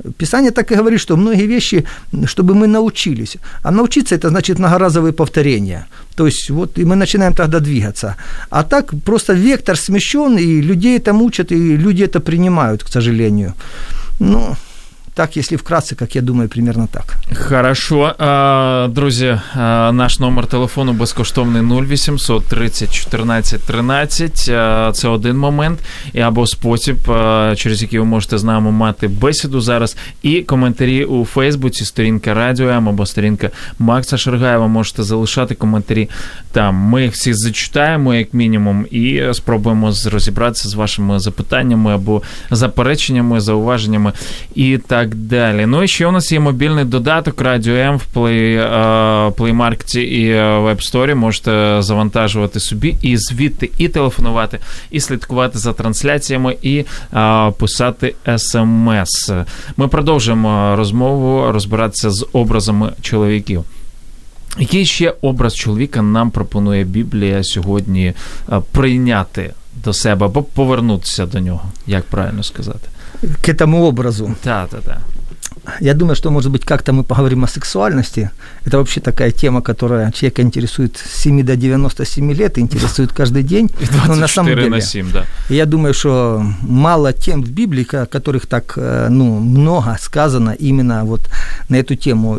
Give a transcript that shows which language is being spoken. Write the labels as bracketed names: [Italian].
[Russian] Писание так и говорит, что многие вещи, чтобы мы научились. А научиться – это значит многоразовые повторения. То есть вот и мы начинаем тогда двигаться. А так просто вектор смещен, и людей это мучат, и люди это принимают, к сожалению. Ну, так, если вкратце, как я думаю, примерно так. Хорошо. [Ukrainian] Друзі, наш номер телефону безкоштовний 0800 30 14 13. Це один момент і або спосіб, через який ви можете з нами мати бесіду зараз. І коментарі у Фейсбуці, сторінка Радіо М або сторінка Макса Шергаєва. Можете залишати коментарі там. Ми всі зачитаємо, як мінімум, і спробуємо розібратися з вашими запитаннями або запереченнями, зауваженнями. І так далі. Ну і ще у нас є мобільний додаток Радіо М в Play Market і Web Store. Можете завантажувати собі і звідти і телефонувати, і слідкувати за трансляціями, і писати смс. Ми продовжуємо розмову, розбиратися з образами чоловіків. Який ще образ чоловіка нам пропонує Біблія сьогодні прийняти до себе або повернутися до нього, як правильно сказати? [Russian] К этому образу. Да. Я думаю, что, может быть, как-то мы поговорим о сексуальности. Это вообще такая тема, которая человека интересует с 7 до 97 лет, интересует каждый день. 24 на самом деле, на 7, да. Я думаю, что мало тем в Библии, которых так, ну, много сказано именно вот на эту тему.